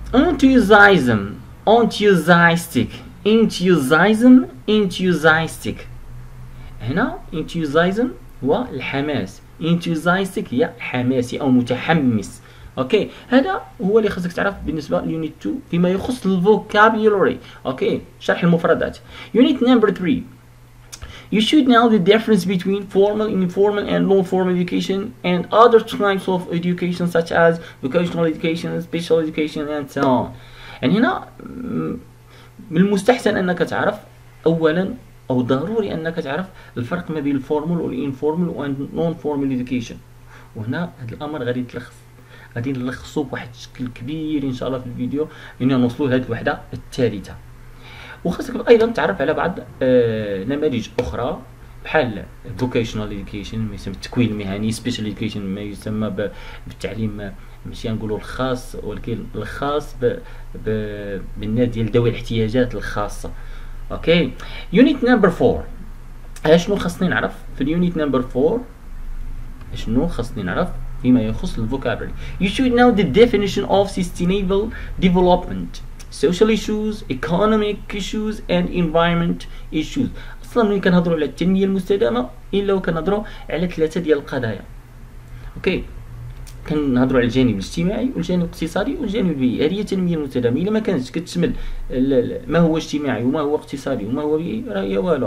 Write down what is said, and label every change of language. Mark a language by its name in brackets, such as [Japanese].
[English] Enthusiasm, enthusiastic, enthusiasm, enthusiastic. [Arabic] هنا انتوزايزم هو الحماس، انتوزايستيك هي حماسي او متحمس. اوكي، هذا هو اللي خصك تعرف بالنسبه ليونيت 2 فيما يخص الفوكابيولوري. اوكي، شرح المفردات. يونيت نمبر 3، [English] You should know the difference between formal, informal, and non-formal education and other types of education such as vocational education, special education, and so on. [Arabic] يعني هنا من المستحسن أنك تعرف أولاً أو ضروري أنك تعرف الفرق ما بين الفورمال والإنفورمال والنون-فورمال إدوكيشن. وهنا هذا الأمر غادي تلخص غادي نلخصه بواحد الشكل كبير إن شاء الله في الفيديو إن نوصلوا لهذه الوحدة الثالثة. وخاصك أيضا تعرف على بعض نماذج أخرى بحال vocational education ما يسمى التكوين المهني, special education ما يسمى بالتعليم ماشي نقولوا الخاص ولكن الخاص بالناس ديال ذوي الاحتياجات الخاصة. اوكي يونيت نمبر 4 اشنو خصني نعرف في اليونيت نمبر 4 اشنو خصني نعرف فيما يخص الفوكابولري. [English] You should know the definition of sustainable development, social issues, economic issues, and environment issues. [Arabic] اصلا ملي كنهضروا على التنمية المستدامة الا وكنهضروا على ثلاثة ديال القضايا. اوكي كنهضروا على الجانب الاجتماعي والجانب الاقتصادي والجانب البيئي. هذه هي التنميه المستدامه. الا ما كانتش كتشمل ما هو اجتماعي وما هو اقتصادي وما هو بيئي راه هي والو.